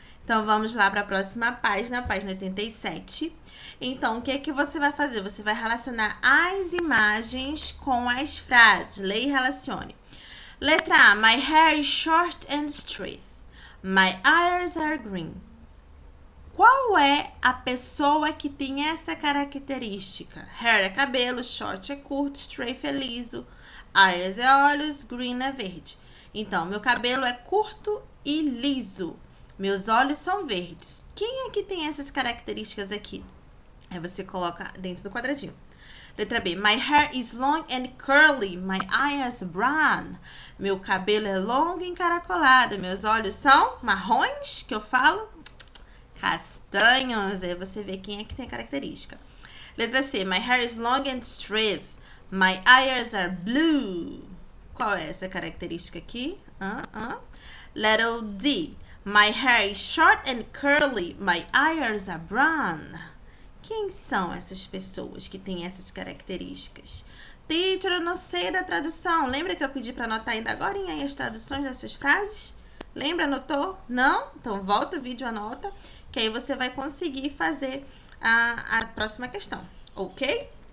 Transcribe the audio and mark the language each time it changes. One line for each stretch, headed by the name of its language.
Portuguese: Então, vamos lá para a próxima página, página 87. Então, o que é que você vai fazer? Você vai relacionar as imagens com as frases. Leia e relacione. Letra A.
English: My hair is short and straight. My eyes are green.
Portuguese: Qual é a pessoa que tem essa característica? Hair é cabelo, short é curto, straight é liso, eyes é olhos, green é verde. Então, meu cabelo é curto e liso. Meus olhos são verdes. Quem é que tem essas características aqui? Aí você coloca dentro do quadradinho. Letra B.
English: My hair is long and curly. My eyes brown.
Portuguese: Meu cabelo é longo e encaracolado. Meus olhos são marrons, que eu falo. Castanhos. Aí você vê quem é que tem a característica. Letra C.
English: My hair is long and straight. My eyes are blue.
Portuguese: Qual é essa característica aqui? Letra D.
English: My hair is short and curly. My eyes are brown.
Portuguese: Quem são essas pessoas que têm essas características? Teacher, eu não sei da tradução. Lembra que eu pedi para anotar ainda agorinha as traduções dessas frases? Lembra, anotou? Não? Então volta o vídeo, anota, que aí você vai conseguir fazer a próxima questão, ok?